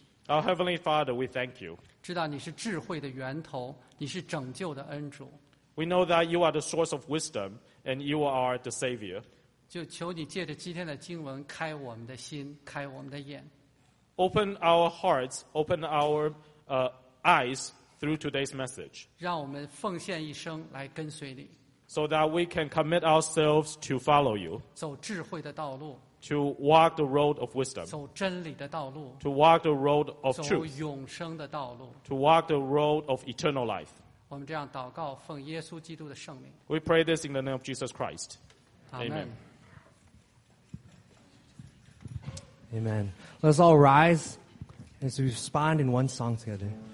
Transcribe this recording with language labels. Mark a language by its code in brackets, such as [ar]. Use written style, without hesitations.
[en] Our Heavenly Father, we thank you. [zh] 知道你是智慧的源头，你是拯救的恩主。 [en] We know that you are the source of wisdom, and you are the Savior. [zh] 就求你借着今天的经文开我们的心，开我们的眼。 [en] Open our hearts, open our eyes through today's message. [zh] 让我们奉献一生来跟随你。 [en] So that we can commit ourselves to follow you. [zh] 走智慧的道路。 [en] To walk the road of wisdom. [zh] 走真理的道路。 [en] To walk the road of truth. [zh] 走永生的道路。 [en] To walk the road of eternal life. [zh] 我们这样祷告，奉耶稣基督的圣名。 [en] We pray this in the name of Jesus Christ. Amen. Amen. Let's all rise as we respond in one song together.